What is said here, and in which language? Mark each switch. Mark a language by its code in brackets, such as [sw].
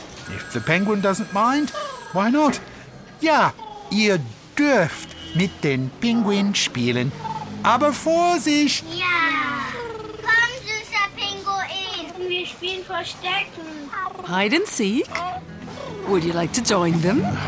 [en] If the penguin doesn't mind, why not? [de] Ja, ihr dürft mit den Pinguin spielen. Aber Vorsicht! Ja! Komm, süßer Pinguin! Wir spielen Verstecken. [en] Hide and seek? Would you like to join them?